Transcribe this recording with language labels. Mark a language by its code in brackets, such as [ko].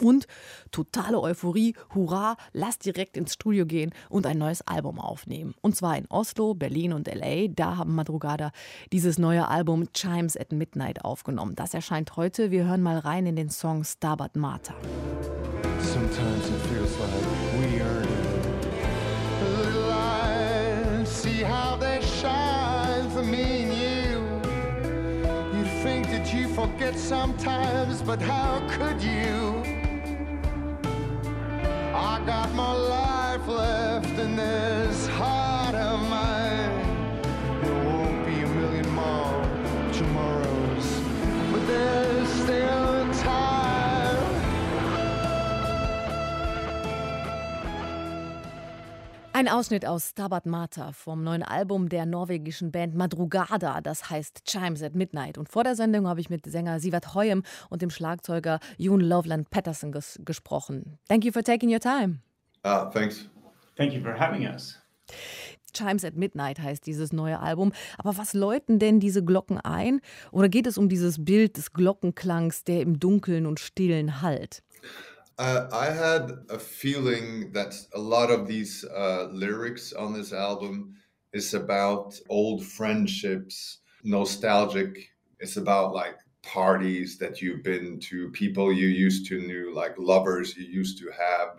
[de] Und totale Euphorie, hurra, lass direkt ins Studio gehen und ein neues Album aufnehmen. Und zwar in Oslo, Berlin und L.A., da haben Madrugada dieses neue Album Chimes at Midnight aufgenommen. Das erscheint heute, wir hören mal rein in den Song Stabat Mater. [en] Sometimes it feels like we earn it. Little eyes, see how they shine for me and you. You think that you forget sometimes, but how could you? I got more life left in this heart of mine. There won't be a million more tomorrows, but there's still time. [de] Ein Ausschnitt aus Stabat Mater vom neuen Album der norwegischen Band Madrugada, das heißt Chimes at Midnight. Und vor der Sendung habe ich mit Sänger Sivert Høyem und dem Schlagzeuger Jon Lovland Pettersen gesprochen. [en] Thank you for taking your time. Thanks. Thank you for having us. [de] Chimes at Midnight heißt dieses neue Album. Aber was läuten denn diese Glocken ein? Oder geht es um dieses Bild des Glockenklangs, der im Dunkeln und Stillen hallt? [en] I had a feeling that a lot of these lyrics on this album is about old friendships, nostalgic. It's about like parties that you've been to, people you used to knew, like lovers you used to have.